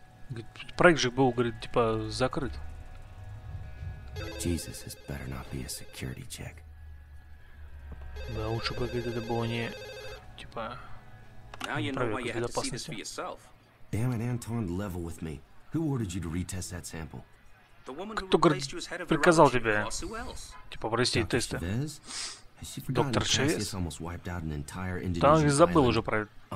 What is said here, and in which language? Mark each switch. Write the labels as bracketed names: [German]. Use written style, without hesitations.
[Russian] Говорит, проект же был, говорит, типа, закрыт. [English] Jesus, this better not be a security check. [Russian] Да, лучше бы, говорит, это было не, типа, проверка безопасности. [English] Damn it, Anton, level with me. Who ordered you to retest that sample? [Russian] Кто, говорит, приказал тебе, типа, провести тесты? Доктор Чавес? Там забыл уже про...